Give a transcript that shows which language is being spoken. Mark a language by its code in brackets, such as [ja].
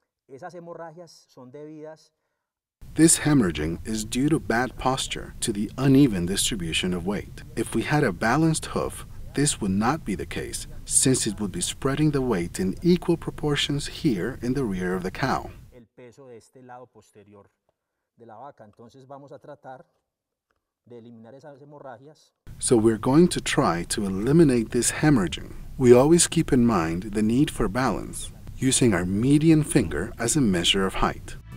[es] Esas hemorragias son debidas. [en] This hemorrhaging is due to bad posture, to the uneven distribution of weight. If we had a balanced hoof, this would not be the case, since it would be spreading the weight in equal proportions here in the rear of the cow. [es] El peso de este lado posterior de la vaca. Entonces vamos a tratar de eliminar esas hemorragias. [en] So we're going to try to eliminate this hemorrhaging. We always keep in mind the need for balance, using our median finger as a measure of height.